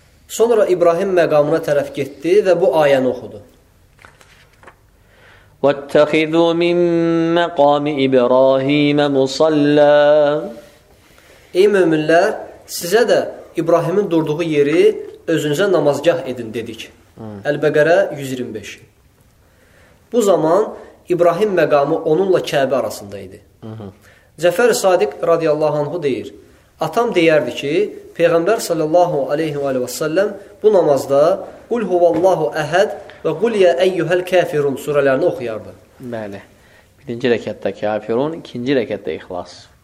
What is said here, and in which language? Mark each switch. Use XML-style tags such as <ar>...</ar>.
<az>Sonra İbrahim məqamına tərəf getdi və bu ayəni oxudu.</az> <ar>وَاتَّخِذُوا مِنْ مَقَامِ إِبْرَاهِيمَ مُصَلَّى</ar> <az>Ey möminlər, sizə də İbrahimin durduğu yeri özünüzə namazgah edin dedik. Əl-Bəqərə 125. Bu zaman İbrahim məqamı onunla Kəbə arasında idi. Cəfər Sadiq radiyallahu anhu deyir, atam deyərdi ki, Peyğəmbər sallallahu aleyhi ve aleyhi ve sellem bu namazda Qul huvallahu əhəd və Qul yə əyyuhəl kəfirun surələrini oxuyardı. Bəli, birinci rəkətdə kəfirun, ikinci rəkətdə ixlas.</az>